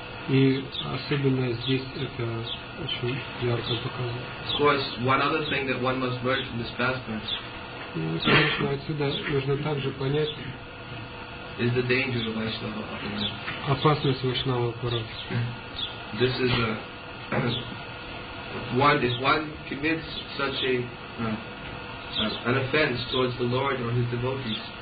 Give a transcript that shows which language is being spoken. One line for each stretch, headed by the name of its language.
Russian: И особенно здесь это очень ярко показано.
English: Of course, one other thing that one must learn from this pastime.
Russian: Конечно, отсюда нужно также понять.
English: Is the danger of Vaishnava aparada.
Russian: Опасность Вайшнава аппарата.
English: This is a one. If one commits such an offense towards the Lord or his devotees.